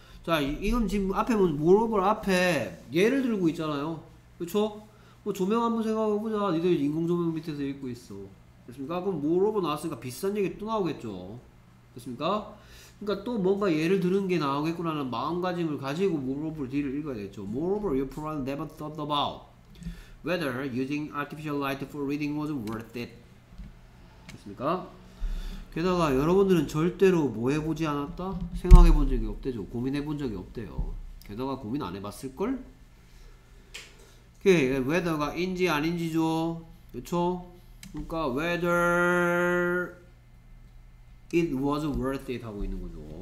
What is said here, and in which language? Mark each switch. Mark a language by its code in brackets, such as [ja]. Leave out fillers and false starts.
[ko] 자, 이건 지금 앞에 보면 moreover 앞에 예를 들고 있잖아요. 그렇죠? 뭐 조명 한번 생각해보자. 니들 인공조명 밑에서 읽고 있어. 됐습니까? 그럼 moreover 나왔으니까 비싼 얘기 또 나오겠죠. 됐습니까? 그러니까 또 뭔가 예를 들은 게 나오겠구나는 마음가짐을 가지고 moreover 뒤를 읽어야겠죠. [en] moreover, your friend never thought about whether using artificial light for reading was worth it. [ko] 됐습니까? 게다가 여러분들은 절대로 뭐 해보지 않았다? 생각해본 적이 없대죠. 고민해본 적이 없대요. 게다가 고민 안 해봤을걸? 오케이. whether가 인지 아닌지죠. 그쵸? 그러니까 [en] whether it was worth it [ko] 하고 있는 거죠.